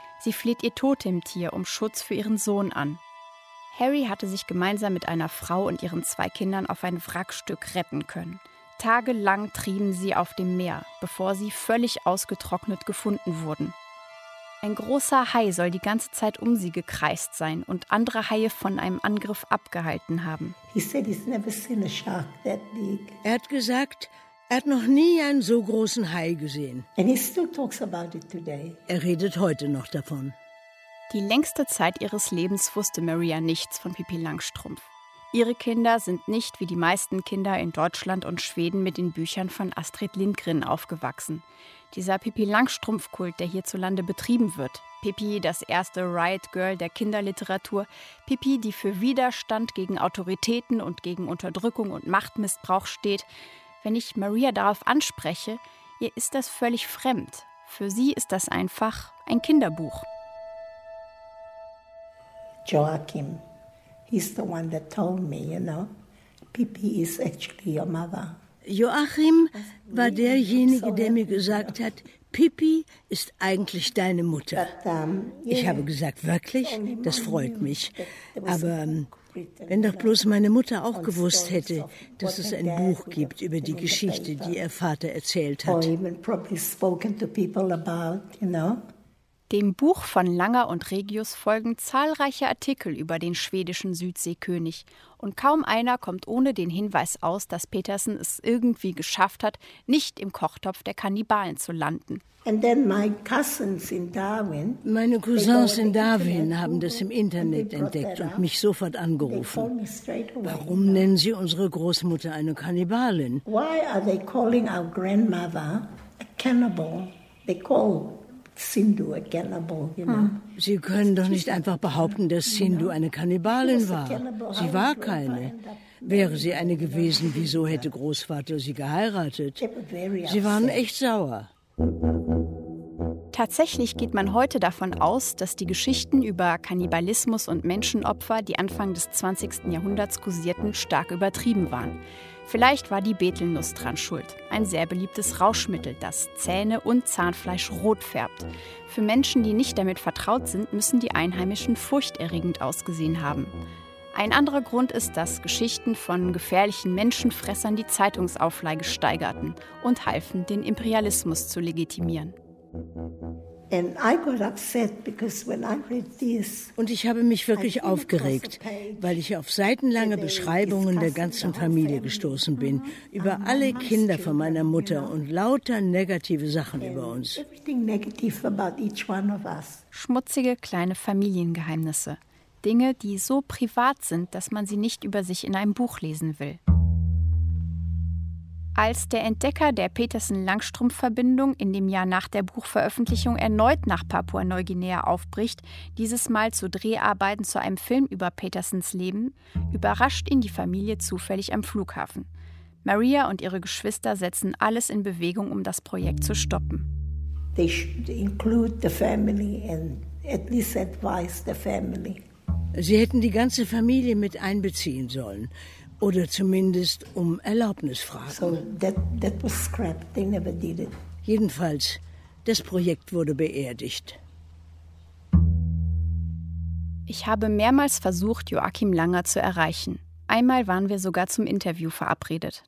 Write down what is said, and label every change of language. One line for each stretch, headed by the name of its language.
German: Sie fleht ihr Totemtier um Schutz für ihren Sohn an. Harry hatte sich gemeinsam mit einer Frau und ihren zwei Kindern auf ein Wrackstück retten können. Tagelang trieben sie auf dem Meer, bevor sie völlig ausgetrocknet gefunden wurden. Ein großer Hai soll die ganze Zeit um sie gekreist sein und andere Haie von einem Angriff abgehalten haben.
English: He said he's never seen a shark that big.
German: Er hat gesagt, er hat noch nie einen so großen Hai gesehen.
English: And he still talks about it today.
German: Er redet heute noch davon. Die längste Zeit ihres Lebens wusste Maria nichts von Pippi Langstrumpf. Ihre Kinder sind nicht wie die meisten Kinder in Deutschland und Schweden mit den Büchern von Astrid Lindgren aufgewachsen. Dieser Pippi Langstrumpf-Kult, der hierzulande betrieben wird, Pippi, das erste Riot Girl der Kinderliteratur, Pippi, die für Widerstand gegen Autoritäten und gegen Unterdrückung und Machtmissbrauch steht, wenn ich Maria darauf anspreche, ihr ist das völlig fremd. Für sie ist das einfach ein Kinderbuch.
English: Joachim, he's the one that told me, you know, Pippi is actually your mother.
German: Joachim war derjenige, der mir gesagt hat, Pippi ist eigentlich deine Mutter. Ich habe gesagt, wirklich? Das freut mich. Aber wenn doch bloß meine Mutter auch gewusst hätte, dass es ein Buch gibt über die Geschichte, die ihr Vater erzählt hat.
English: Or even probably spoken to people about, you know.
German: Dem Buch von Langer und Regius folgen zahlreiche Artikel über den schwedischen Südseekönig. Und kaum einer kommt ohne den Hinweis aus, dass Petersen es irgendwie geschafft hat, nicht im Kochtopf der Kannibalen zu landen.
English: And then my cousins in Darwin,
German: meine Cousins in Darwin haben das im Internet entdeckt und mich sofort angerufen. Warum nennen sie unsere Großmutter eine Kannibalin?
English: Why are they calling our grandmother a cannibal? They call Sindhu a cannibal, you know.
German: Sie können doch nicht einfach behaupten, dass Sindhu eine Kannibalin war. Sie war keine. Wäre sie eine gewesen, wieso hätte Großvater sie geheiratet? Sie waren echt sauer. Tatsächlich geht man heute davon aus, dass die Geschichten über Kannibalismus und Menschenopfer, die Anfang des 20. Jahrhunderts kursierten, stark übertrieben waren. Vielleicht war die Betelnuss dran schuld. Ein sehr beliebtes Rauschmittel, das Zähne und Zahnfleisch rot färbt. Für Menschen, die nicht damit vertraut sind, müssen die Einheimischen furchterregend ausgesehen haben. Ein anderer Grund ist, dass Geschichten von gefährlichen Menschenfressern die Zeitungsauflage steigerten und halfen, den Imperialismus zu legitimieren.
English: And I got upset because when I read this,
German: und ich habe mich wirklich aufgeregt, weil ich auf seitenlange Beschreibungen der ganzen Familie gestoßen bin, über alle Kinder von meiner Mutter und lauter negative Sachen über uns.
English: Everything negative about each one of us.
German: Schmutzige kleine Familiengeheimnisse. Dinge, die so privat sind, dass man sie nicht über sich in einem Buch lesen will. Als der Entdecker der Petersen-Langstrumpf-Verbindung in dem Jahr nach der Buchveröffentlichung erneut nach Papua-Neuguinea aufbricht, dieses Mal zu Dreharbeiten zu einem Film über Petersens Leben, überrascht ihn die Familie zufällig am Flughafen. Maria und ihre Geschwister setzen alles in Bewegung, um das Projekt zu stoppen.
English: They should include the family and at least advise the family.
German: Sie hätten die ganze Familie mit einbeziehen sollen. Oder zumindest um Erlaubnis fragen.
English: So that was scrapped. They never did it.
German: Jedenfalls, das Projekt wurde beerdigt. Ich habe mehrmals versucht, Joachim Langer zu erreichen. Einmal waren wir sogar zum Interview verabredet.